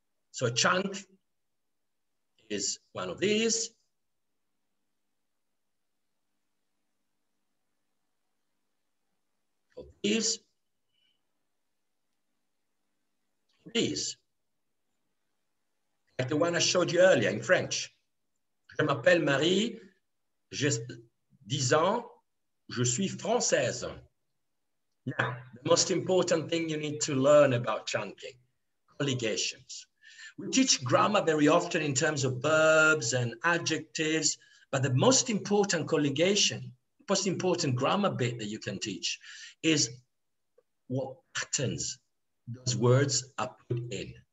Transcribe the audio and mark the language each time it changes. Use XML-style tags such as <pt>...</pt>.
<en>So a chunk is one of these. These, like the one I showed you earlier in French.</en> <fr>Je m'appelle Marie, j'ai 10 ans, je suis française.</fr> <en>Now, the most important thing you need to learn about chunking, colligations. We teach grammar very often in terms of verbs and adjectives, but the most important colligation, most important grammar bit that you can teach is what patterns those words are put in.</en>